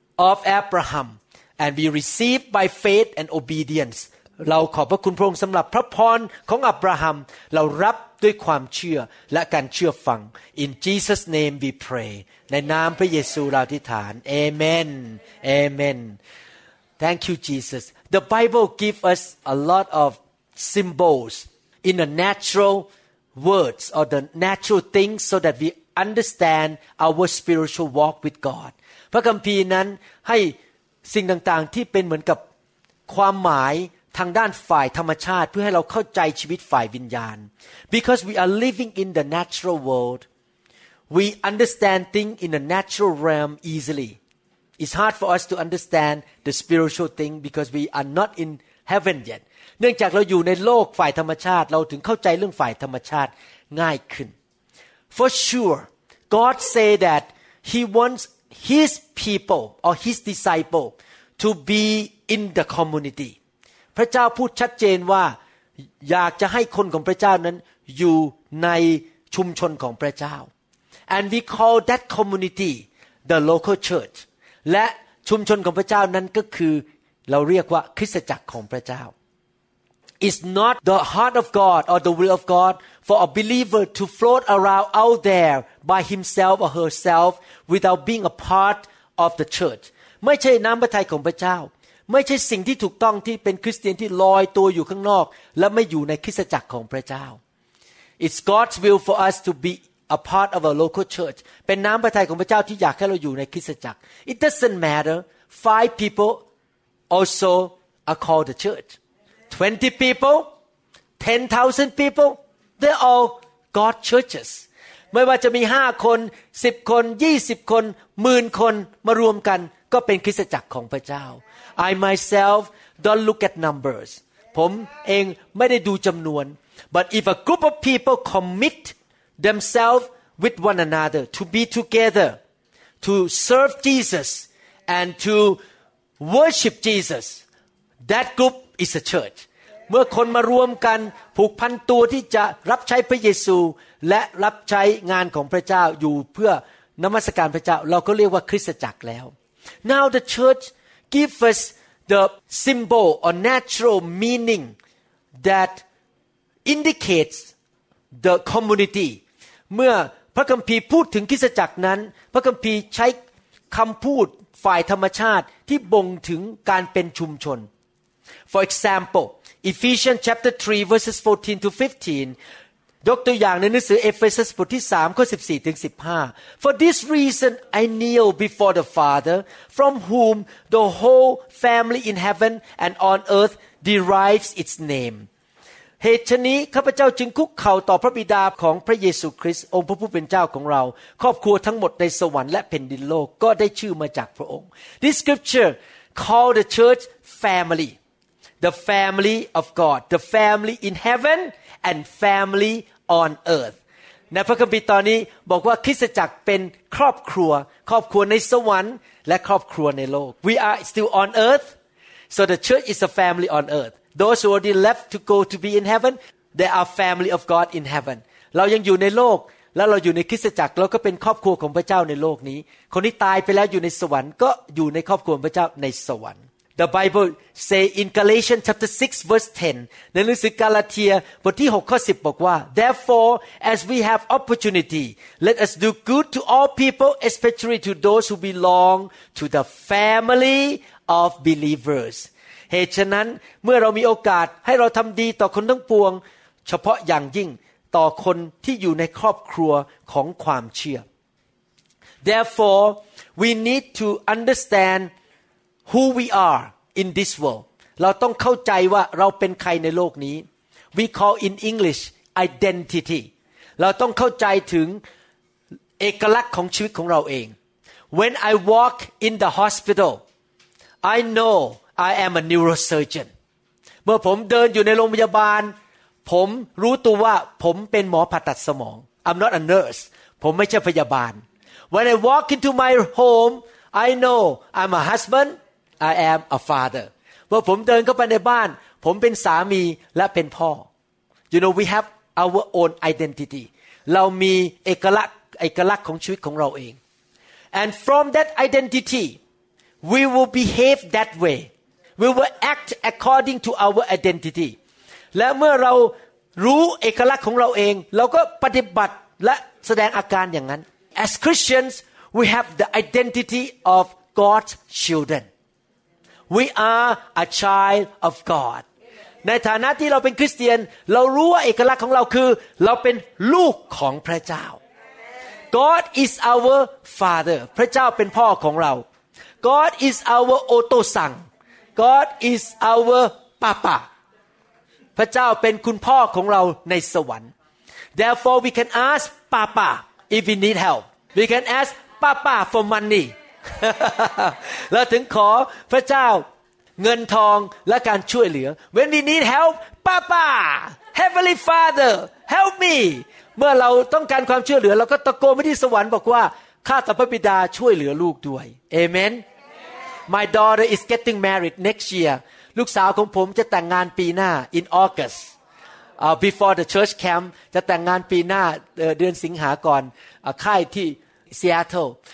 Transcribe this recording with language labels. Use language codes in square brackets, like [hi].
[en] of Abraham and we receive by faith and obedience [th] เราขอบพระคุณพระองค์สำหรับพระพรของอับราฮัมเรารับด้วยความเชื่อและการเชื่อฟัง [en] In Jesus name we pray [th] ในนามพระเยซูเราอธิษฐาน [en] Amen Amen Thank you JesusThe Bible gives us a lot of symbols in the natural words or the natural things so that we understand our spiritual walk with God. [th] พระคัมภีร์นั้นให้สิ่งต่างๆที่เป็นเหมือนกับความหมายทางด้านฝ่ายธรรมชาติเพื่อให้เราเข้าใจชีวิตฝ่ายวิญญาณ [en] Because we are living in the natural world, we understand things in the natural realm easily. It's hard for us to understand the spiritual thing because we are not in heaven yet. [th] เนื่องจากเราอยู่ในโลกฝ่ายธรรมชาติเราถึงเข้าใจเรื่องฝ่ายธรรมชาติง่ายขึ้น [en] For sure, God say that He wants His people or His disciple to be in the community. [th] พระเจ้าพูดชัดเจนว่าอยากจะให้คนของพระเจ้านั้นอยู่ในชุมชนของพระเจ้า [en] And we call that community the local church. [th] และชุมชนของพระเจ้านั้นก็คือเราเรียกว่าคริสตจักรของพระเจ้า [en] It's not the heart of God or the will of God for a believer to float around out there by himself or herself without being a part of the church. [th] ไม่ใช่น้ำพระทัยของพระเจ้าไม่ใช่สิ่งที่ถูกต้องที่เป็นคริสเตียนที่ลอยตัวอยู่ข้างนอกและไม่อยู่ในคริสตจักรของพระเจ้า [en] It's God's will for us to be a part of a local church. [th] เป็นน้ำพระทัยของพระเจ้าที่อยากให้เราอยู่ในคริสตจักร [en] It doesn't matter. Five people also are called the church. 20 people, 10,000 people, they're all God's churches. [th] ไม่ว่าจะมี5คน10คน20คน10,000คนมารวมกันก็เป็นคริสตจักรของพระเจ้า [en] I myself don't look at numbers. [th] ผมเองไม่ได้ดูจำนวน [en] But if a group of people commit themselves with one another to be together, to serve Jesus, and to worship Jesus, that groupIs a church. [th] เมื่อคนมารวมกันผูกพันตัวที่จะรับใช้พระเยซูและรับใช้งานของพระเจ้าอยู่เพื่อนมัสการพระเจ้าเราก็เรียกว่าคริสตจักรแล้ว [en] Now the church gives us the symbol or natural meaning that indicates the community. [th] เมื่อพระคัมภีร์พูดถึงคริสตจักรนั้นพระคัมภีร์ใช้คำพูดฝ่ายธรรมชาติที่บ่งถึงการเป็นชุมชน [en] For example, Ephesians chapter 3 verses 14 to 15. [th] ยกตัวอย่างในหนังสือเอเฟซัสบทที่3ข้อ14ถึง15. [en] For this reason I kneel before the Father, from whom the whole family in heaven and on earth derives its name. [th] เหตุฉะนี้ข้าพเจ้าจึงคุกเข่าต่อพระบิดาของพระเยซูคริสต์องค์พระผู้เป็นเจ้าของเราครอบครัวทั้งหมดในสวรรค์และแผ่นดินโลกก็ได้ชื่อมาจากพระองค์ [en] This scripture called the church family. The family of God, the family in heaven, and family on earth. [th] ในพระคัมภีร์ตอนนี้บอกว่าคริสตจักรเป็นครอบครัวครอบครัวในสวรรค์และครอบครัวในโลก [en] We are still on earth, so the church is a family on earth. Those who already left to go to be in heaven, they are family of God in heaven. [th] เรายังอยู่ในโลกแล้วเราอยู่ในคริสตจักรเราก็เป็นครอบครัวของพระเจ้าในโลกนี้คนที่ตายไปแล้วอยู่ในสวรรค์ก็อยู่ในครอบครัวพระเจ้าในสวรรค์ [en] The Bible say in Galatians chapter 6 verse 10 [th] ในหนังสือกาลาเทียบทที่6ข้อ10บอกว่า [en] Therefore as we have opportunity let us do good to all people especially to those who belong to the family of believers [th] เหตุฉะนั้นเมื่อเรามีโอกาสให้เราทำดีต่อคนทั้งปวงเฉพาะอย่างยิ่งต่อคนที่อยู่ในครอบครัวของความเชื่อ [en] Therefore we need to understandWho we are in this world. [th] เราต้องเข้าใจว่าเราเป็นใครในโลกนี้ [en] We call in English identity. [th] เราต้องเข้าใจถึงเอกลักษณ์ของชีวิตของเราเอง [en] When I walk in the hospital, I know I am a neurosurgeon. [th] เมื่อผมเดินอยู่ในโรงพยาบาลผมรู้ตัวว่าผมเป็นหมอผ่าตัดสมอง [en] I'm not a nurse. [th] ผมไม่ใช่พยาบาล [en] When I walk into my homeI know I'm a husband, I am a father. [th] เมื่อผมเดินเข้าไปในบ้านผมเป็นสามีและเป็นพ่อ [en] You know we have our own identity. [th] เรามีเอกลักษณ์ของชีวิตของเราเอง [en] And from that identity, we will behave that way. We will act according to our identity. [th] และเมื่อเรารู้เอกลักษณ์ของเราเองเราก็ปฏิบัติและแสดงอาการอย่างนั้น [en] As Christians,We have the identity of God's children. We are a child of God. [th] ในฐานะที่เราเป็นคริสเตียนเรารู้ว่าเอกลักษณ์ของเราคือเราเป็นลูกของพระเจ้า [en] God is our father. [th] พระเจ้าเป็นพ่อของเรา [en] God is our otosan. God is our papa. [th] พระเจ้าเป็นคุณพ่อของเราในสวรรค์ [en] Therefore, we can ask papa. if we need help. We can ask Papa for money. And we ask God for money and help. When we need help, Papa, Heavenly Father, help me. When we need help, we call to the heavenly Father and say, Father, help my child. Amen. My daughter is getting married next year. [th] ลูกสาวของผมจะแต่งงานปีหน้า [en] in August before the church camp [th] จะแต่งงานปีหน้าเดือนสิงหาก่อนค่ายที่ Seattle